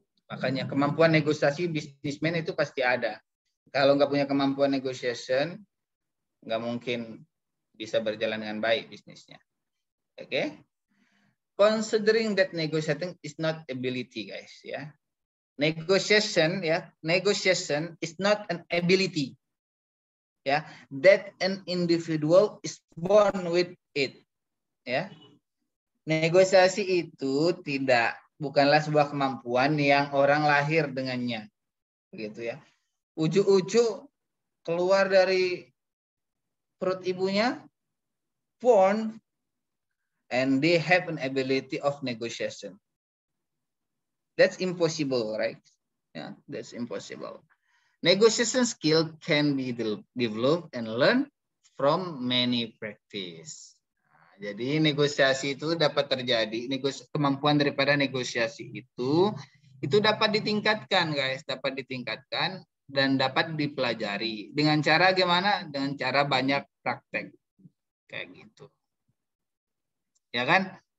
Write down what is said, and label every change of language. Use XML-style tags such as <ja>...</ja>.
<id>Makanya kemampuan negosiasi bisnismen itu pasti ada. Kalau nggak punya kemampuan negotiation, nggak mungkin bisa berjalan dengan baik bisnisnya.</id> <en>Okay. Considering that negotiating is not ability, guys, ya. Negotiation, ya, negotiation is not an ability. Ya, that an individual is born with it. Ya.</en> <id>Negosiasi itu tidak bukanlah sebuah kemampuan yang orang lahir dengannya. Begitu ya. Ujuk-ujuk keluar dari perut ibunya</id> <en>born and they have an ability of negotiation. That's impossible, right? Yeah, that's impossible. Negotiation skill can be developed and learned from many practice.</en> <id>Jadi negosiasi itu dapat terjadi, kemampuan daripada negosiasi itu dapat ditingkatkan, guys, dapat ditingkatkan dan dapat dipelajari. Dengan cara gimana? Dengan cara banyak praktek. Kayak gitu. Ya kan?</id>